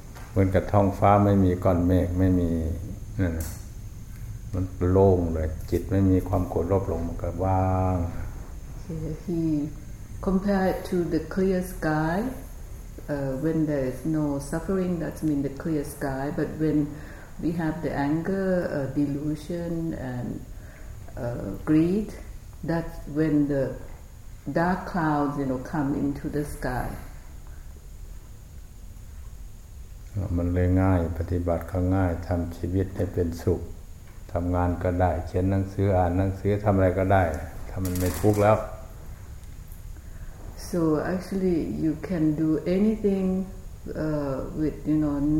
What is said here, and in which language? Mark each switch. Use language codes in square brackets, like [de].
[th] เหมือนกับท้องฟ้าไม่มีก้อนเมฆไม่มีนั่นมันโล่งเลยจิตไม่มีความโกรธโลภหลงมันก็ว่าง [en] He compared to the clear sky. When there is no suffering, that's mean the clear sky. But whenWe have the anger, delusion, and greed. That's when the dark clouds, you know, come into the sky. [th] มันเลยง่ายปฏิบัติเขาง่ายทำชีวิตให้เป็นสุขทำงานก็ได้เขียนหนังสืออ่านหนังสือทำอะไรก็ได้ถ้ามันไม่ทุกข์แล้ว [en] So actually, you can do anything with you know.